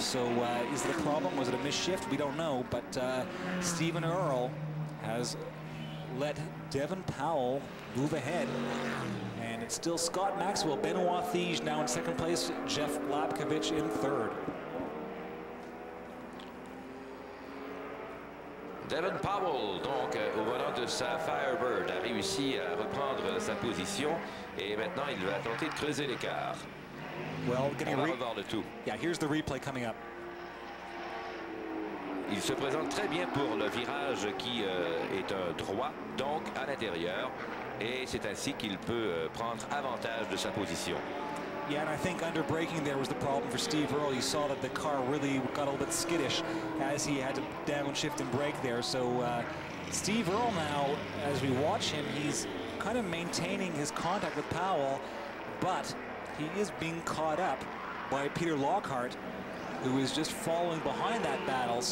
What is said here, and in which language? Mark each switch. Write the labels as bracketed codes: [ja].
[en] So is it a problem, was it a misshift? We don't know, but Stephen Earle has let Devin Powell move ahead, and it's still Scott Maxwell, Benoît Thiege now in second place, Jeff Lapkevich in third. [fr] Devin Powell, donc, au volant de sa Firebird, a réussi à reprendre sa position. Et maintenant, il va tenter de creuser l'écart. [en] Well, [fr] on va revoir le tout. [en] Yeah, here's the replay coming up. [fr] Il se présente très bien pour le virage qui est un droit, donc, à l'intérieur. Et c'est ainsi qu'il peut prendre avantage de sa position. [en] Yeah, and I think under braking there was the problem for Steve Earle. You saw that the car really got a little bit skittish as he had to downshift and brake there. So Steve Earle now, as we watch him, he's kind of maintaining his contact with Powell, but he is being caught up by Peter Lockhart, who is just following behind that battle.